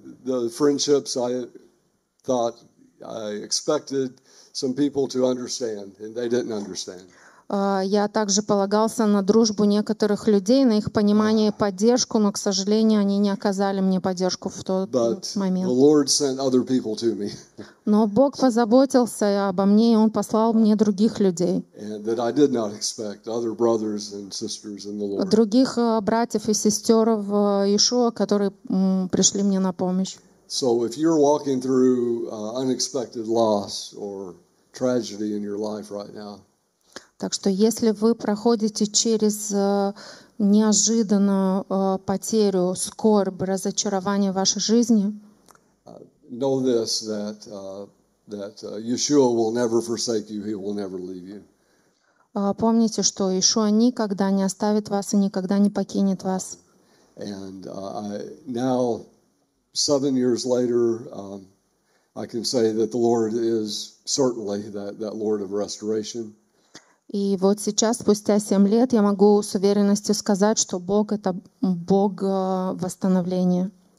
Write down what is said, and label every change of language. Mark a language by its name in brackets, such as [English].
[English] The friendships I thought I expected some people to understand, and they didn't understand. [Russian] Я также полагался на дружбу некоторых людей, на их понимание и поддержку, но, к сожалению, они не оказали мне поддержку в тот [English] But [Russian] момент. [English] The Lord sent other people to me. [Russian] Но Бог позаботился обо мне, и Он послал мне других людей. [English] And that I did not expect, other brothers and sisters in the Lord. [Russian] Других братьев и сестер в Иешуа, которые пришли мне на помощь. [English] So if you're walking through unexpected loss or tragedy in your life right now, [Russian] так что, если вы проходите через неожиданную потерю, скорбь, разочарование в вашей жизни, [English] know this, that Yeshua will never forsake you, He will never leave you. [Russian] Помните, что Иешуа никогда не оставит вас и никогда не покинет вас. [English] And now, 7 years later, I can say that the Lord is certainly that Lord of restoration. [Russian] И вот сейчас, спустя 7 лет, я могу с уверенностью сказать, что Бог — это Бог восстановления.